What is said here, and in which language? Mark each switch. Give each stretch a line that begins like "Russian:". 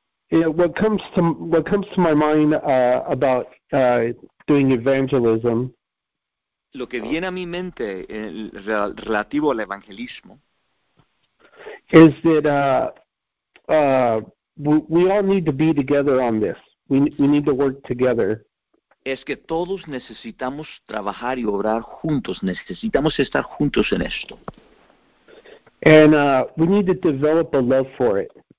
English: What comes to my mind about doing evangelism?
Spanish: Lo que viene a mi mente relativo al evangelismo
English: is that we all need to be together on this. We need to work together.
Spanish: Es que todos necesitamos trabajar y obrar juntos. Necesitamos estar juntos en esto.
English: And we need to develop a love for it.